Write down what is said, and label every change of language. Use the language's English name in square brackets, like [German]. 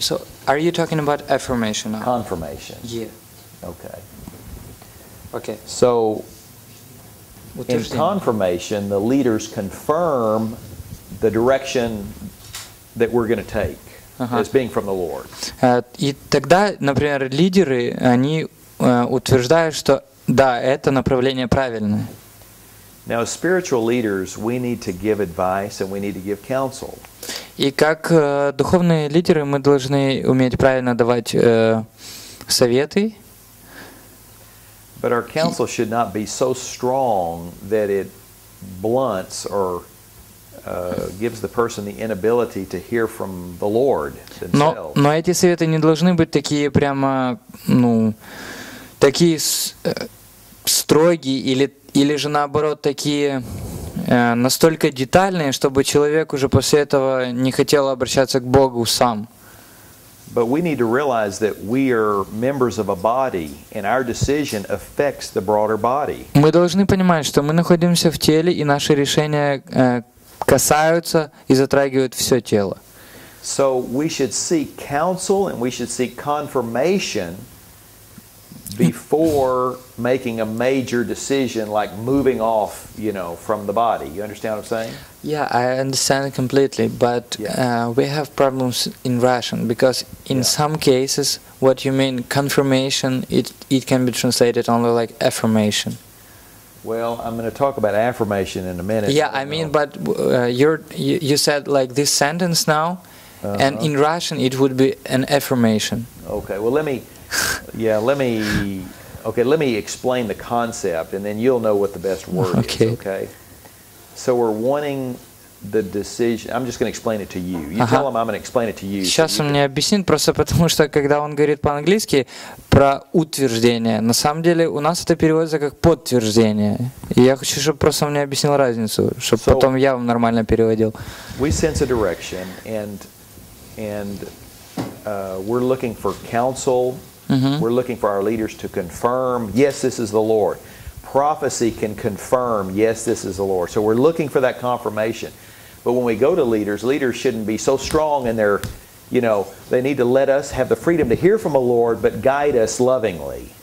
[English] So are you talking about affirmation now? Confirmation. Yeah. Okay. Okay. So in confirmation, the leaders confirm the direction that we're going to take as being from the Lord. [Russian] И тогда, например, лидеры, они утверждают, что да, это направление правильное. [English] Now, as spiritual leaders, we need to give advice and we need to give counsel. [Russian] И как духовные лидеры, мы должны уметь правильно давать советы. [English] But our counsel should not be so strong that it blunts or gives the person the inability to hear from the Lord themselves. [Russian] Но эти советы не должны быть такие прямо, такие строгие или же наоборот такие настолько детальные, чтобы человек уже после этого не хотел обращаться к Богу сам. [English] But we need to realize that we are members of a body and our decision affects the broader body. [Russian] Мы должны понимать, что мы находимся в теле и наши решения касаются и затрагивают все тело. [English] So we should seek counsel and we should seek confirmation before making a major decision like moving off, you know, from the body. You understand what I'm saying? Yeah, I understand completely, but we have problems in Russian because in some cases what you mean confirmation, it can be translated only like affirmation. Well, I'm going to talk about affirmation in a minute. Yeah, I mean, but you said like this sentence now, and in Russian it would be an affirmation. Okay. Well, let me explain the concept, and then you'll know what the best word is. Okay. So we're wanting the decision. I'm just going to explain it to you. You tell him I'm going to explain it to you. [Russian] Сейчас [English] so you [Russian] он мне объяснит, просто потому что когда он говорит по-английски про утверждение, на самом деле у нас это переводится как подтверждение. И я хочу, чтобы просто мне объяснил разницу, чтобы потом я вам нормально переводил. [English] We sense a direction, and we're looking for counsel. Mm-hmm. We're looking for our leaders to confirm, yes, this is the Lord. Prophecy can confirm, yes, this is the Lord. So we're looking for that confirmation. But when we go to leaders, leaders shouldn't be so strong in their, you know, they need to let us have the freedom to hear from the Lord, but guide us lovingly.